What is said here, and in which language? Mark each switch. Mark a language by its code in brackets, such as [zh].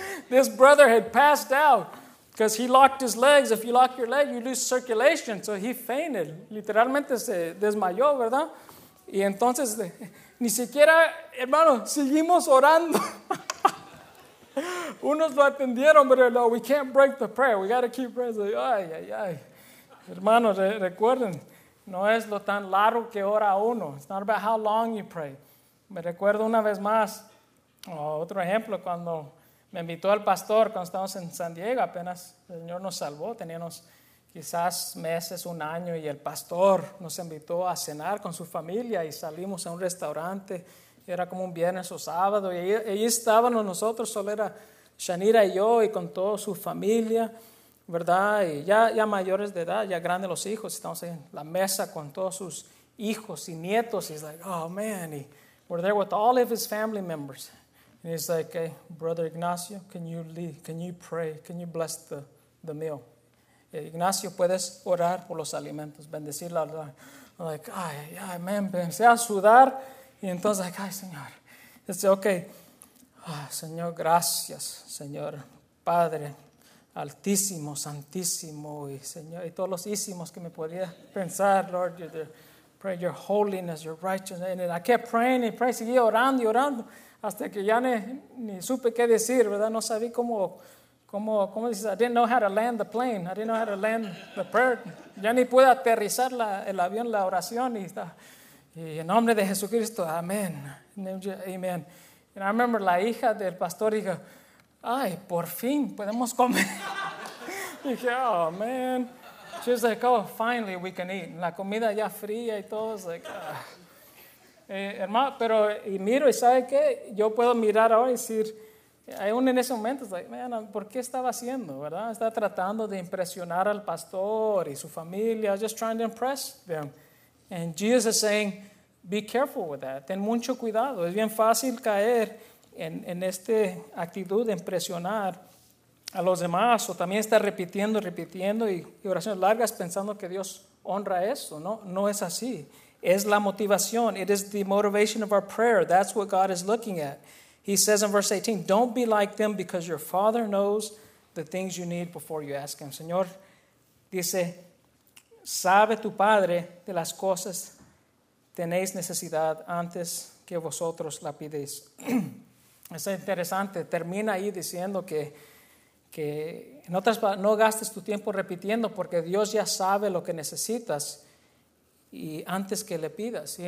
[en] This brother had passed out because he locked his legs. If you lock your leg, you lose circulation. So he fainted. [es] Literalmente se desmayó, ¿verdad? Y entonces, ni siquiera, hermano, seguimos orando. Unos lo atendieron, pero no, [en] we can't break the prayer. We got to keep praying. Like, ay, ay, ay. [es] Hermano, recuerden, no es lo tan largo que ora uno. [en] It's not about how long you pray. [es] Me recuerdo una vez más, otro ejemplo, cuando me invitó al pastor cuando estábamos en San Diego, apenas el Señor nos salvó, teníamos quizás meses, un año, y el pastor nos invitó a cenar con su familia y salimos a un restaurante, era como un viernes o sábado, y ahí estábamos nosotros, solo era Shanira y yo y con toda su familia, ¿verdad? Y ya mayores de edad, ya grandes los hijos, estamos en la mesa con todos sus hijos y nietos, y es [en] like, oh man, [es] y [en] we're there with all of his family members. And he's like, hey, Brother Ignacio, can you lead? Can you pray? Can you bless the meal? [es] Ignacio, ¿puedes orar por los alimentos? Bendecir la. [en] I'm like, ay, ay, man, [es] empecé a sudar. Y entonces, ay, Señor. Dice, okay. Oh, Señor, gracias, Señor, Padre, Altísimo, Santísimo, y Señor, y todos los ísimos que me podía pensar, [en] Lord, pray your holiness, your righteousness. And I kept praying and praying, [es] seguí orando y orando, hasta que ya ni supe qué decir, ¿verdad? No sabía cómo dices, [en] I didn't know how to land the plane, I didn't know how to land the prayer. [es] Ya ni pude aterrizar el avión, la oración, y en nombre de Jesucristo, amén. Amen. [en] And I remember [es] la hija del pastor dijo, ay, por fin podemos comer. [en] Dije, oh man. She was like, oh, finally we can eat. [es] La comida ya fría y todo. Es like, hermano, pero y miro y sabe qué, yo puedo mirar ahora y decir, aún en ese momento, es [en] like, man, [es] ¿por qué estaba haciendo, verdad? Estaba tratando de impresionar al pastor y su familia. [en] Just trying to impress them. And Jesus is saying, be careful with that. [es] Ten mucho cuidado. Es bien fácil caer en esta actitud de impresionar a los demás. O también estar repitiendo y oraciones largas pensando que Dios honra eso. No, no es así. Es la motivación. [en] It is the motivation of our prayer. That's what God is looking at. He says in verse 18, don't be like them because your Father knows the things you need before you ask Him. [es] Señor dice, sabe tu Padre de las cosas tenéis necesidad antes que vosotros la pidéis. Es interesante. Termina ahí diciendo que en otras palabras, no gastes tu tiempo repitiendo porque Dios ya sabe lo que necesitas y antes que le pidas.